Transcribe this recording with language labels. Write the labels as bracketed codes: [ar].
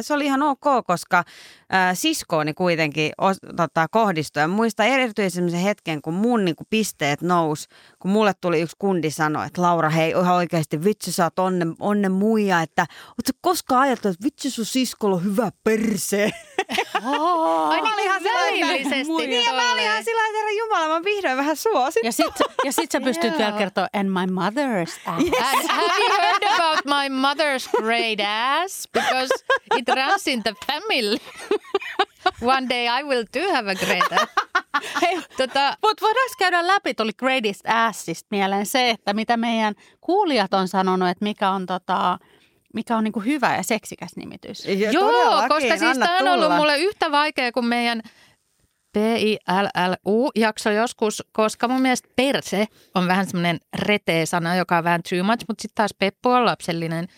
[fi] Ja se oli ihan ok, koska siskooni kuitenkin kohdistui. Ja muistan erityisen sellaisen hetken, kun mun niin kuin pisteet nousi, kun mulle tuli yksi kundi sanoa, että Laura, hei, ihan oikeasti, vitsi, sä oot onne muija. Että ootko koskaan ajatellut, että vitsi, sun siskolla on hyvä perse? Mä olin ihan sillä tavalla, että herra Jumala, mä vihdoin vähän suosittu. Ja sit sä pystyt vielä kertoa, [en] and my mother's ass. Yes. And have you heard about my mother's great ass? Because it runs in the family. One day I will too have a great ass. [fi] Mut voidaan käydä läpi, tuli greatest assist mieleen se, että mitä meidän kuulijat on sanonut, että mikä on niin kuin hyvä ja seksikäs nimitys. Ja joo, todellakin. Koska siis tämä on ollut mulle yhtä vaikea kuin meidän PILLU-jakso joskus, koska mun mielestä perse on vähän semmoinen retee sana, joka on vähän too much, mutta sitten taas Peppu on lapsellinen.